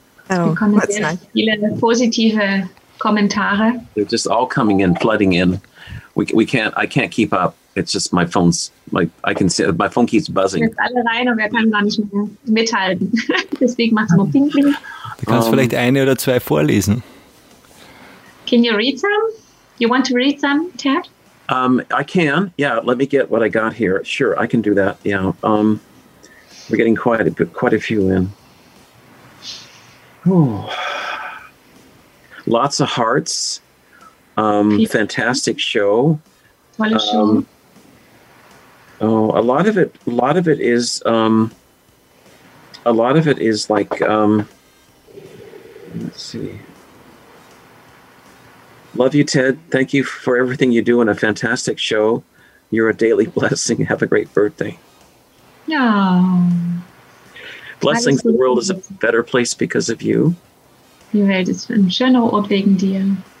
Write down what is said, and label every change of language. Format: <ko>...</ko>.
<en>Oh, that's nice.</en> <de>Viele positive Kommentare.</de> <en>They're just all coming in, flooding in. I can't keep up. It's just my phone's, like, I can see, my phone keeps buzzing.</en> <de>Jetzt alle rein und wir können gar nicht mehr mithalten. Deswegen machst du nur Pinkling. Du kannst vielleicht eine oder zwei vorlesen.</de> <en>Can you read some? You want to read some, Ted? I can. Yeah, let me get what I got here. Sure, I can do that. Yeah. We're getting quite a few in. Ooh. Lots of hearts. Fantastic show.</en> <de>Tolle show.</de> <en>A lot of it is like let's see. Love you, Ted. Thank you for everything you do and a fantastic show. You're a daily blessing. Have a great birthday. Yeah. Blessings, the world is a better place because of you.</en> <de>Die Welt ist ein schöner Ort wegen dir.</de>